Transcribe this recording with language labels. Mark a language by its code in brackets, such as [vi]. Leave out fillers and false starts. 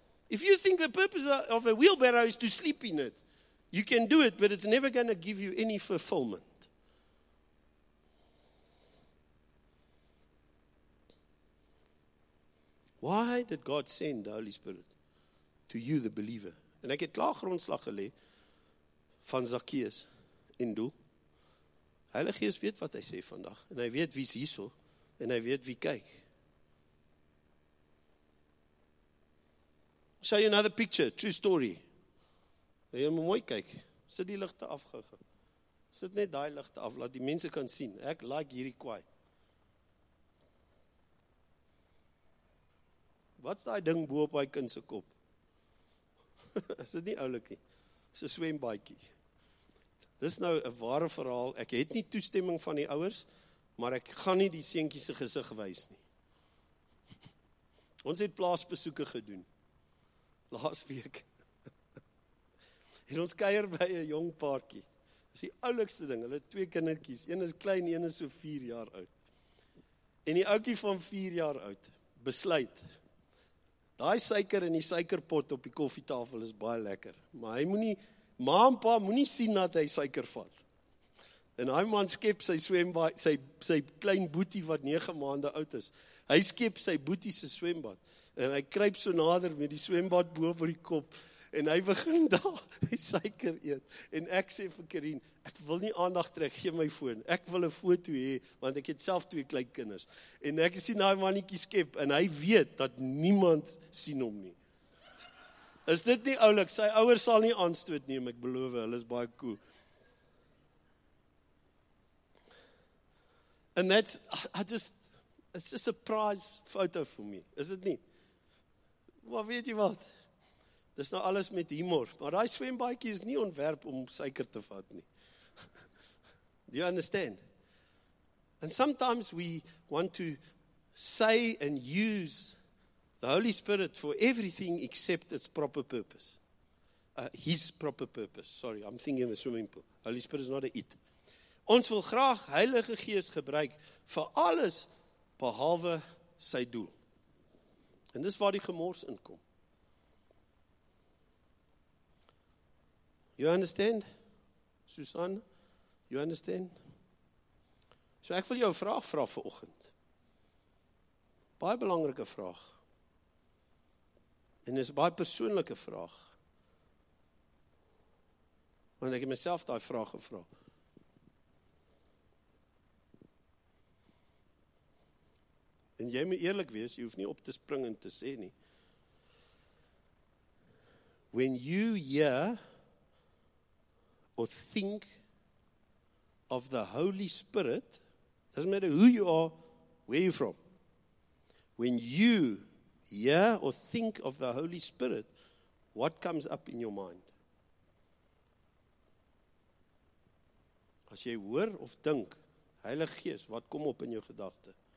[en] If you think the purpose of a wheelbarrow is to sleep in it, you can do it, but it's never going to give you any fulfillment. Why did God send the Holy Spirit to you, the believer? [af] En ek het klaar grondslag gelê van Zacchaeus en doel. Heilige Gees weet wat hy sê vandag, en hy weet wie is hierso, en hy weet wie kyk. [en] I'll show you another picture, true story. [af] Jy moet mooi kyk, sit die ligte af, sit net die ligte af, laat die mense kan sien, ek like hierdie kwaai. Wat is die ding bo op die kindse kop? Is dit nie oulik nie? Is een swembaadjie. Dit is nou een ware verhaal. Ek het nie toestemming van die ouers, maar ek gaan nie die seentjie se gesig wys nie. Ons het plaasbesoeke gedoen. Laas week. En ons kuier by een jong paartjie. Dit is die oulikste ding. Hulle het twee kindertjies. Een is klein, een is so 4 jaar oud. En die oukie van 4 jaar oud besluit... Daai suiker in die suikerpot op die koffietafel is baie lekker. Maar hy moet nie, ma en pa moet nie sien dat hy suiker vat. En hy man skep sy swembad, sy klein boetie wat 9 maande oud is. Hy skep sy boetie se swembad. En hy kruip so nader met die swembad bo oor die kop. En hy begin daar die suiker eet. En ek sê vir Karine, ek wil nie aandag trek, gee my foon. Ek wil een foto hê, want ek het self 2 kleinkinders. En ek sien die mannetjie skep, en hy weet dat niemand sien hom nie. Is dit nie oulik? Sy ouers sal nie aanstoot neem, ek beloof, hulle is baie cool. [en] And that's, it's just a prize foto for me, [af] is dit nie? Maar weet jy wat? Dit is nou alles met humor, maar die swembaadjie is nie ontwerp om suiker te vat nie. [en] Do you understand? And sometimes we want to say and use the Holy Spirit for everything except its proper purpose. His proper purpose. Sorry, I'm thinking of a swimming pool. Holy Spirit is not a it. [af] Ons wil graag Heilige Gees gebruik vir alles behalwe sy doel. En dis waar die gemors inkom. [en] You understand? Susan, you understand? [af] So ek wil jou vraag vra vir oggend. Baie belangrike vraag. En is baie persoonlike vraag. Want ek het myself daai vraag gevra. En jy moet eerlik wees, jy hoef nie op te spring en te sê nie. [en] When you hear or think of the Holy Spirit, doesn't matter who you are, where you're from. When you hear or think of the Holy Spirit, what comes up in your mind? [af] As jy hoor of dink, Heilige Gees, wat kom op in jou gedagte?